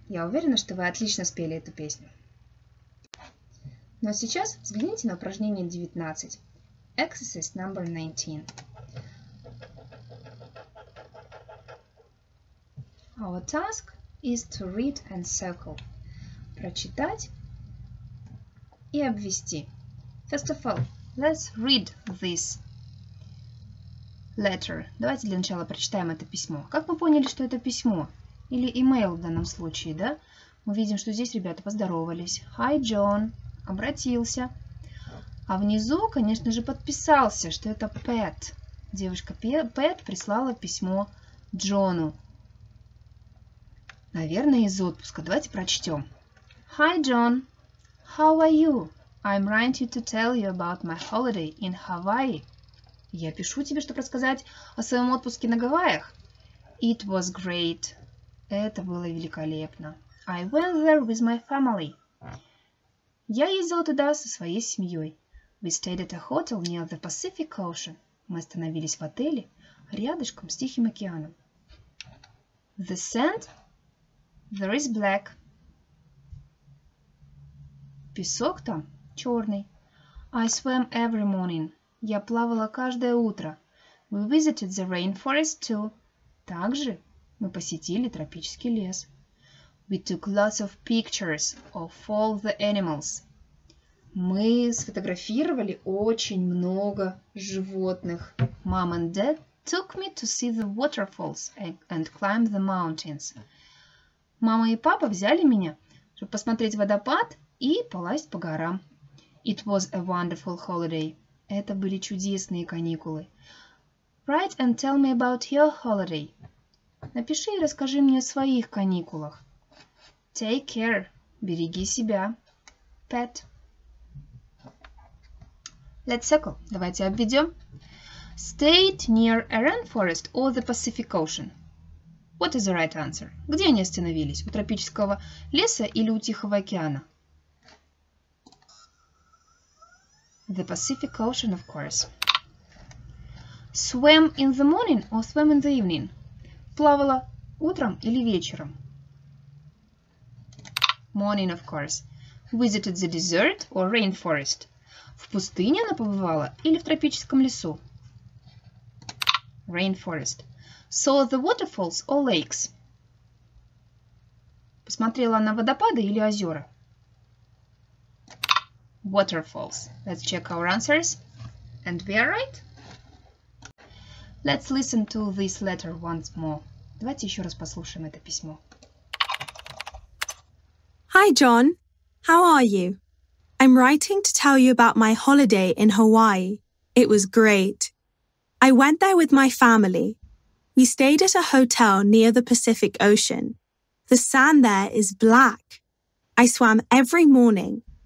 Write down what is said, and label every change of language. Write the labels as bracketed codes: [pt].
[ru] Я уверена, что вы отлично спели эту песню. Ну а сейчас взгляните на упражнение 19. [en] Exercise number 19. Our task is to read and circle. [ru] Прочитать и обвести. [en] First of all, let's read this letter. [ru] Давайте для начала прочитаем это письмо. Как вы поняли, что это письмо? Или email в данном случае, да? Мы видим, что здесь ребята поздоровались. [en] Hi, John. [ru] Обратился. А внизу, конечно же, подписался, что это Pat. Девушка Pat прислала письмо Джону. Наверное, из отпуска. Давайте прочтем. [en] Hi, John. How are you? I'm writing to tell you about my holiday in Hawaii. [ru] Я пишу тебе, чтобы рассказать о своем отпуске на Гавайях. [en] It was great. [ru] Это было великолепно. [en] I went there with my family. [ru] Я ездила туда со своей семьей. [en] We stayed at a hotel near the Pacific Ocean. [ru] Мы остановились в отеле рядышком с Тихим океаном. [en] The sand, there is black. [ru] Песок там черный. [en] I swam every morning. [ru] Я плавала каждое утро. [en] We visited the rainforest too. [ru] Также мы посетили тропический лес. [en] We took lots of pictures of all the animals. [ru] Мы сфотографировали очень много животных. [en] Mom and Dad took me to see the waterfalls and climb the mountains. [ru] Мама и папа взяли меня, чтобы посмотреть водопад и полазить по горам. [en] It was a wonderful holiday. [ru] Это были чудесные каникулы. [en] Write and tell me about your holiday. [ru] Напиши и расскажи мне о своих каникулах. [en] Take care. [ru] Береги себя. [en] Pet. Let's circle. [ru] Давайте обведем. [en] Stay near a rainforest or the Pacific Ocean. What is the right answer? [ru] Где они остановились? У тропического леса или у Тихого океана? [en] The Pacific Ocean, of course. Swim in the morning or swim in the evening? [ru] Плавала утром или вечером? [en] Morning, of course. Visited the desert or rainforest? [ru] В пустыне она побывала или в тропическом лесу? [en] Rainforest. Saw the waterfalls or lakes? [ru] Посмотрела она водопады или озера? [en] Waterfalls. Let's check our answers. And we are right. Let's listen to this letter once more. [ru] Давайте еще раз послушаем это письмо. [en] Hi, John. How are you? I'm writing to tell you about my holiday in Hawaii. It was great. I went there with my family. We stayed at a hotel near the Pacific Ocean. The sand there is black. I swam every morning.